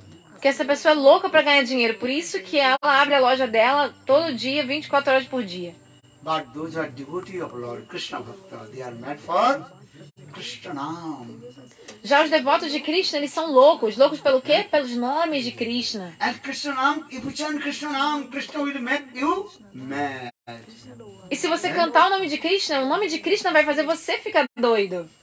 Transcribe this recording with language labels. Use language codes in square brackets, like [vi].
[pt] Porque essa pessoa é louca para ganhar dinheiro, por isso que ela abre a loja dela todo dia, 24 horas por dia. [en] But those are devotees of Lord Krishna Bhakta. They are mad for Krishna Nam. [pt] Já os devotos de Krishna, eles são loucos. Loucos pelo quê? Pelos nomes de Krishna. [en] And Krishna name, if you chant Krishna name, Krishna will make you mad. [pt] E se você cantar o nome de Krishna, o nome de Krishna vai fazer você ficar doido.